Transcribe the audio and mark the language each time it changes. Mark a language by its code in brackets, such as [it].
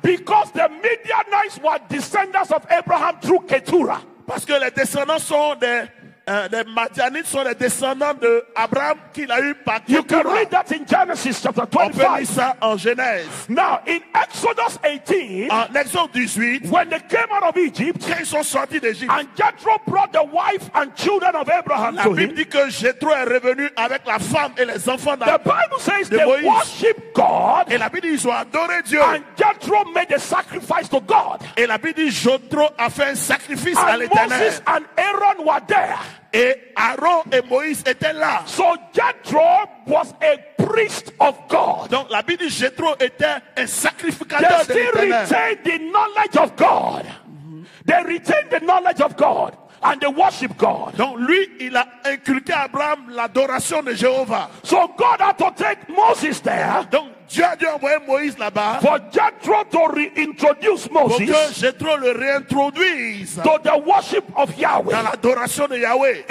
[en] Because the Midianites were descendants of Abraham through Keturah. [fr] Parce que les descendants sont des Madianites sont les descendants de Abraham qu'il a eu par Keturah. [en] You can read that in Genesis chapter 25. [fr] On peut lire ça en Genèse. [en] Now in Exodus 18, [fr] en Exode 18, [en] when they came out of Egypt, [fr] quand ils sont sortis d'Égypte, [en] and Jethro brought the wife and children of Abraham to him. [fr] La Bible dit que Jethro est revenu avec la femme et les enfants [en] d'Abraham. The Bible says they worship God. [fr] Et la Bible dit qu'ils ont adoré Dieu. [en] And Jethro made a sacrifice to God. [fr] Et la Bible dit Jethro a fait un sacrifice [en] and [fr] à l'Éternel. [en] Moses and Aaron were there. [fr] Et Aaron et Moïse étaient là. [en] So Jethro was a priest of God. [fr] Donc la Bible dit Jethro était un sacrificateur de l'Éternel. [en] They retained the knowledge of God. They retained the knowledge of God and they worship God. [fr] Donc lui, il a inculqué à Abraham l'adoration de Jéhovah. [en] So God had to take Moses there. [fr] Donc Dieu a dû envoyer Moïse là-bas. [en] For Jethro to reintroduce Moses. [fr] Pour que Jethro le réintroduise. [en] To the worship of Yahweh. [fr] Dans l'adoration de Yahweh.